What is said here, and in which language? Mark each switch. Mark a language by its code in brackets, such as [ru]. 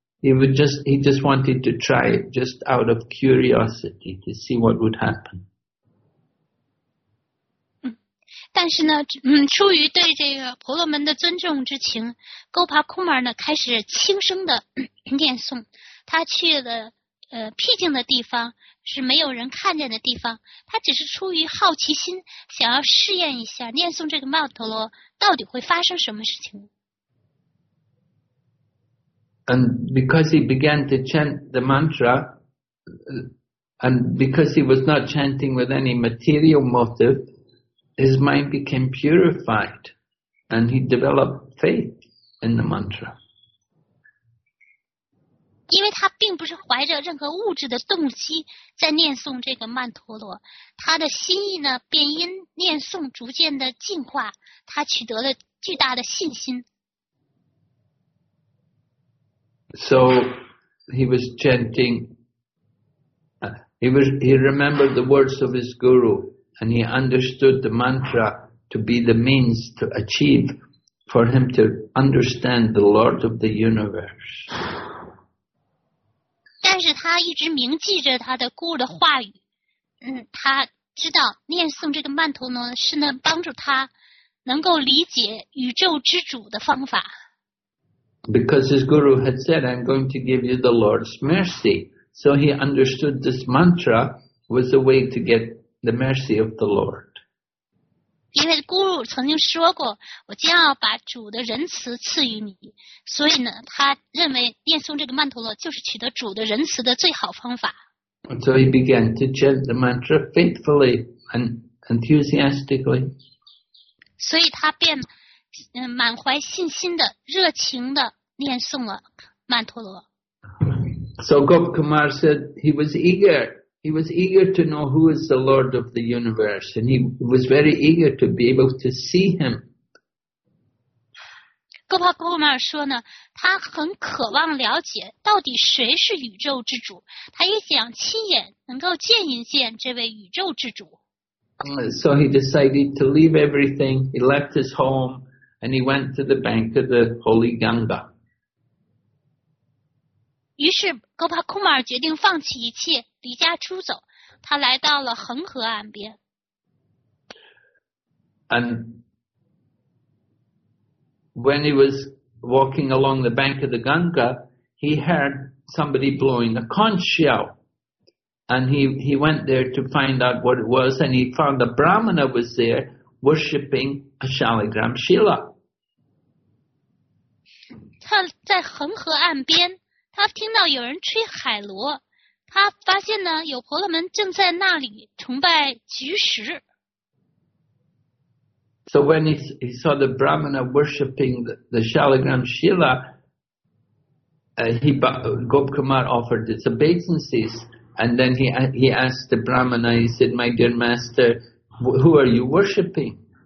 [en] He just wanted to try it just out of curiosity to see what would happen. [zh] 但是呢，出于对这个婆罗门的尊重之情，勾帕库玛呢开始轻声的念诵。他去了僻静的地方，是没有人看见的地方。他只是出于好奇心，想要试验一下念诵这个曼陀罗到底会发生什么事情。 [en] And because he began to chant the mantra, and because he was not chanting with any material motive. His mind became purified, and he developed faith in the mantra. [zh] 因为他并不是怀着任何物质的动机在念诵这个曼陀罗，他的心意呢，便因念诵逐渐的进化，他取得了巨大的信心。 [en] So he was chanting. He remembered the words of his guru. And he understood the mantra to be the means to achieve for him to understand the Lord of the universe. [zh] 但是他一直铭记着他的孤儿的话语，他知道念诵这个曼陀罗是能帮助他能够理解宇宙之主的方法。 [en] Because his guru had said, I'm going to give you the Lord's mercy. So he understood this mantra was a way to get the mercy of the Lord. [zh] 因为咕噜曾经说过，我将要把主的仁慈赐予你，所以呢，他认为念诵这个曼陀罗就是取得主的仁慈的最好方法。 [en] So he began to chant the mantra faithfully and enthusiastically. [zh] 所以他便满怀信心的、热情的念诵了曼陀罗。 [en] So Gopkumar said he was eager. He was eager to know who is the Lord of the universe, and he was very eager to be able to see him. [zh] Gopal Kumar 说呢，他很渴望了解到底谁是宇宙之主，他也想亲眼能够见一见这位宇宙之主。 [en] So he decided to leave everything. He left his home and he went to the bank of the Holy Ganga. [zh] 于是 Gopal Kumar 决定放弃一切离家出走，他来到了恒河岸边。 [en] And when he was walking along the bank of the Ganga, he heard somebody blowing a conch shell, and he went there to find out what it was, and he found a Brahmana was there worshipping a Shaligram Shila. [zh] 他在恒河岸边他听到有人吹海螺，他发现呢有婆罗门正在那里崇拜菊石。 [en] So when he saw the Brahmana worshipping the Shaligram Shila, Gopkumar offered his obeisances, and then he asked the Brahmana. He said, "My dear master, who are you worshipping?"